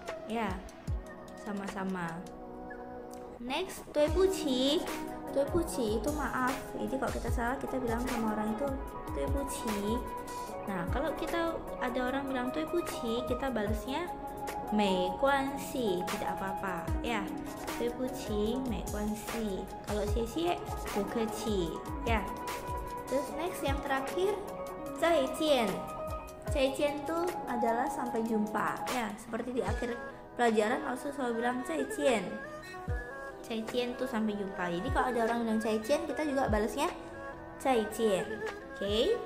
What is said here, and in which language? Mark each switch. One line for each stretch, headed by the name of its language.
Indonesian: Ya, sama-sama. Next, 对不起. 对不起 itu maaf. Jadi kalau kita salah, kita bilang sama orang itu 对不起. Nah, kalau kita ada orang bilang 对不起, kita balasnya 没关系, tidak apa-apa.
Chinese: Ya, 对不起, 没关系. Kalau 谢谢, 不客气.
Indonesian: Ya. Terus next, yang terakhir, 再见. 再见 itu adalah sampai jumpa. Ya, seperti di akhir pelajaran harus selalu bilang 再见. 再见 itu sampai jumpa. Jadi kalau ada orang bilang 再见, kita juga balasnya 再见.Oke, okay?